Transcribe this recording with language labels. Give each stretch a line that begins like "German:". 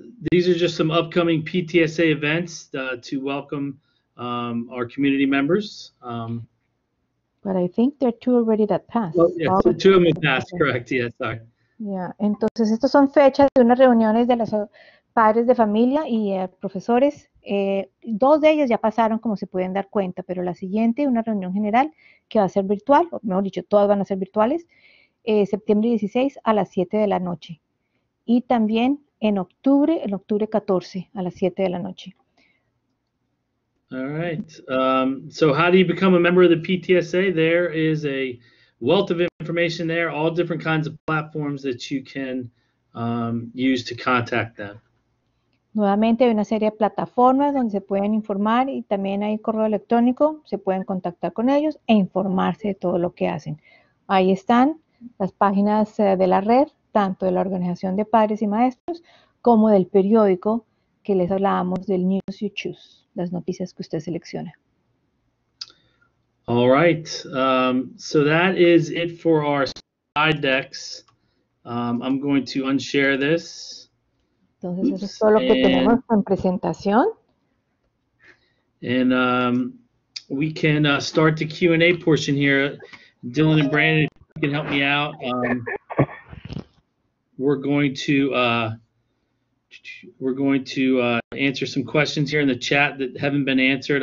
English: These are just some upcoming PTSA events to welcome our community members. But I think there are two already that passed. Well, yes, so two of them passed, correct, yes, sorry.
Spanish: Yeah, entonces estos son fechas de unas reuniones de los padres de familia y profesores. Dos de ellas ya pasaron, como se pueden dar cuenta, pero la siguiente, una reunión general que va a ser virtual, o mejor dicho, todas van a ser virtuales, septiembre 16 a las 7 de la noche. Y también en octubre 14 a las 7 de la noche.
English: All right. So how do you become a member of the PTSA? There is a wealth of information there, all different kinds of platforms that you can use to contact them.
Spanish: Nuevamente hay una serie de plataformas donde se pueden informar y también hay correo electrónico, se pueden contactar con ellos e informarse de todo lo que hacen. Ahí están las páginas de la red, tanto de la Organización de Padres y Maestros como del periódico que les hablábamos del News You Choose, las noticias que usted selecciona.
English: All right, so that is it for our slide decks. I'm going to unshare this.
Spanish: Entonces, eso es todo lo que tenemos en presentación.
English: And we can start the Q&A portion here. Dylan and Brandon, if you can help me out. We're going to answer some questions here in the chat that haven't been answered.